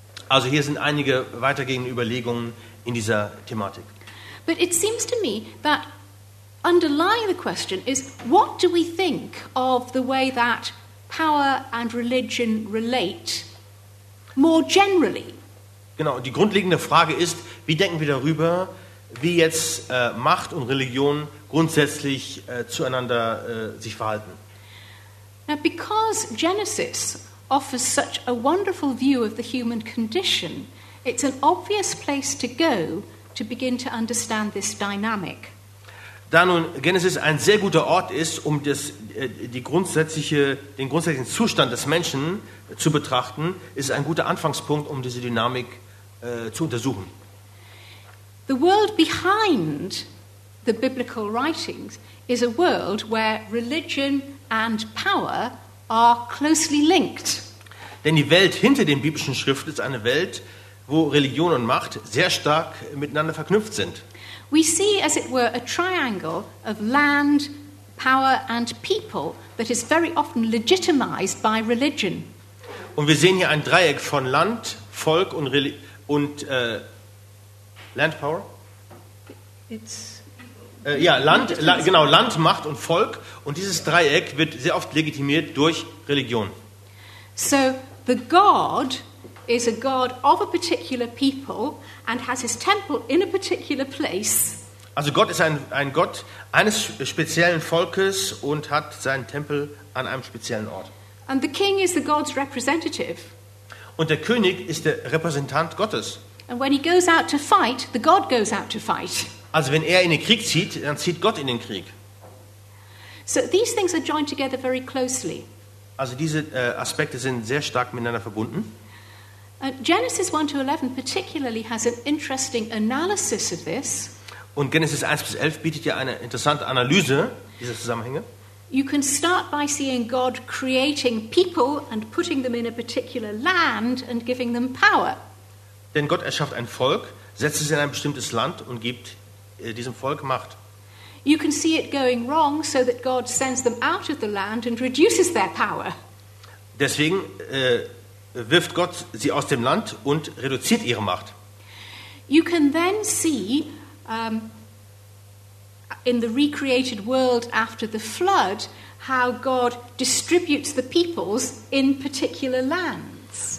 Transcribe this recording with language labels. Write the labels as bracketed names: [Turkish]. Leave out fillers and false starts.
[German] Also hier sind einige weitergehende Überlegungen in dieser Thematik. [English] But it seems to me that underlying the question is, what do we think of the way that power and religion relate more generally? [German] Genau, die grundlegende Frage ist, wie denken wir darüber, wie jetzt Macht und Religion grundsätzlich zueinander sich verhalten? [English] Now, because Genesis offers such a wonderful view of the human condition, it's an obvious place to go to begin to understand this dynamic. [German] Da nun Genesis ein sehr guter Ort ist, um den grundsätzlichen Zustand des Menschen zu betrachten, ist ein guter Anfangspunkt, um diese Dynamik zu untersuchen. [English] The world behind the biblical writings is a world where religion and power are closely linked. [German] Denn die Welt hinter den biblischen Schriften ist eine Welt, wo Religion und Macht sehr stark miteinander verknüpft sind. [English] We see, as it were, a triangle of land, power and people that is very often legitimized by religion. [German] Und wir sehen hier ein Dreieck von Land, Volk und Land Power. Land, Macht und Volk. Und dieses Dreieck wird sehr oft legitimiert durch Religion. [English] So the God is a God of a particular people and has his temple in a particular place. [German] Also Gott ist ein Gott eines speziellen Volkes und hat seinen Tempel an einem speziellen Ort. [English] And the king is the God's representative. [German] Und der König ist der Repräsentant Gottes. [English] And when he goes out to fight, the God goes out to fight. [German] Also wenn er in den Krieg zieht, dann zieht Gott in den Krieg. [English] So these things are joined together very closely. [German] Also diese Aspekte sind sehr stark miteinander verbunden. [English] Genesis 1-11 particularly has an interesting analysis of this. [German] Und Genesis 1-11 bietet ja eine interessante Analyse dieser Zusammenhänge. [English] You can start by seeing God creating people and putting them in a particular land and giving them power. [German] Denn Gott erschafft ein Volk, setzt es in ein bestimmtes Land und gibt diesem Volk Macht. [English] You can see it going wrong, so that God sends them out of the land and reduces their power. [German] Deswegen wirft Gott sie aus dem Land und reduziert ihre Macht. [English] You can then see in the recreated world after the flood how God distributes the peoples in particular lands.